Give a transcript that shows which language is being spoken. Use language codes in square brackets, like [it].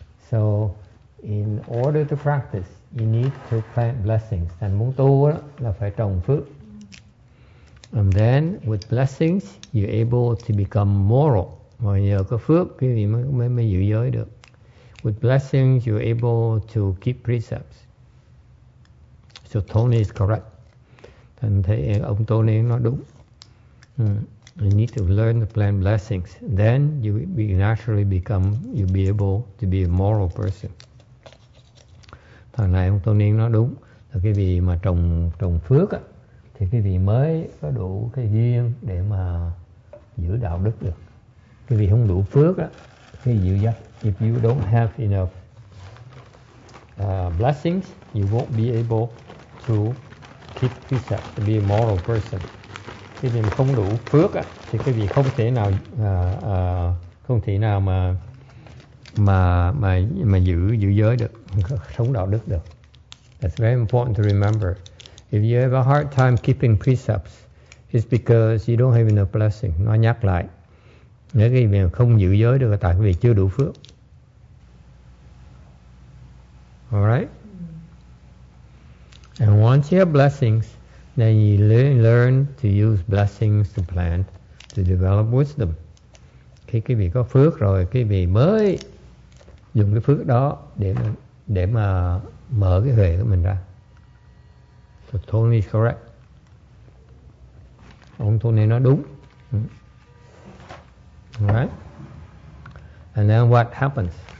[en] So in order to practice, you need to plant blessings. [vi] Thành muốn tu là phải trồng phước. [en] And then with blessings, you're able to become moral. [vi] Mà nhờ có phước, quý vị mới giữ giới được. [en] With blessings, you're able to keep precepts. So Tony is correct. [vi] Thành thấy ông Tony nói đúng. [en] You need to learn to plant blessings. Then you'll be able to be a moral person. [vi] Thằng này ông Tony nói đúng. Là cái vị mà trồng phước á, thì cái vị mới có đủ cái duyên để mà giữ đạo đức được. Cái vị không đủ phước á, thì giữ dắt. [en] If you don't have enough blessings, you won't be able to keep precepts, to be a moral person. [vi] Cái vị không đủ phước á, thì cái vị không thể nào mà giữ giới được, sống đạo đức được. [en] That's very important to remember. If you have a hard time keeping precepts, it's because you don't have enough blessing. [vi] Nó nhắc lại. Nếu cái vị không giữ giới được là tại vì chưa đủ phước. [en] Alright? And once you have blessings, then you learn to use blessings to plant, to develop wisdom. [vi] Khi cái vị có phước rồi, cái vị mới dùng cái phước đó để mà mở cái huệ của mình ra. [en] So Tony is correct. [vi] Ông Tony nói đúng. [en] Alright. And then what happens?